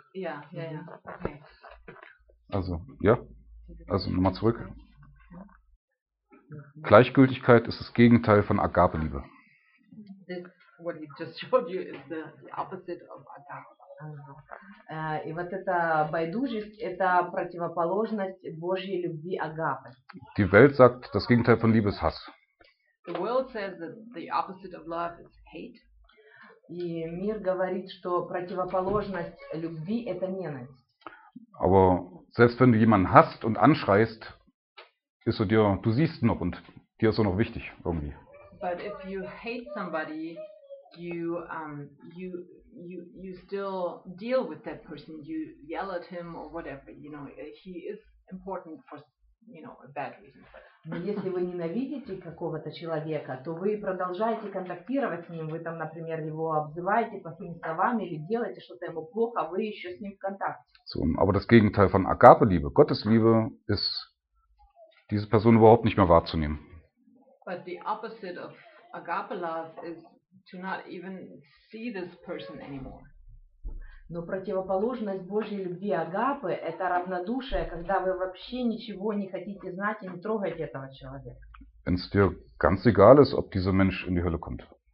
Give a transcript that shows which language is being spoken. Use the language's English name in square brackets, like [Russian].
[German] Yeah. Yeah. Mm-hmm. Yeah. Okay. Also ja. Yeah. Also nochmal zurück. Mm-hmm. Gleichgültigkeit ist das Gegenteil von Agape-Liebe. [English] What he just showed you is the opposite of agape. [Russian] И вот эта байдужесть – это противоположность Божьей любви агапы. [German] Die Welt sagt, das Gegenteil von Liebe ist Hass. [English] The world says that the opposite of love is hate. [Russian] И мир говорит, что противоположность любви – это ненависть. [German] Aber selbst wenn du jemanden hasst und anschreist, ist er dir, du siehst ihn noch und dir ist er noch wichtig irgendwie. [English] But if you hate somebody, you still deal with that person, you yell at him or whatever, you know, he is important for, you know, a bad reason. [Russian] Но если вы ненавидите какого-то человека, то вы продолжаете контактировать с ним, вы там, например, его обзываете плохими словами или делаете что-то ему плохо, вы еще с ним в контакте. [German] So, aber das Gegenteil von Agape-Liebe, Gottesliebe, ist, diese Person überhaupt nicht mehr wahrzunehmen. [English] But the opposite of Agape-Love is to not even see this person anymore. [Russian] Но противоположность Божьей любви агапы – это равнодушие, когда вы вообще ничего не хотите знать и не трогать этого человека. [German] Wenn es dir ganz egal ist, ob dieser Mensch in die Hölle kommt.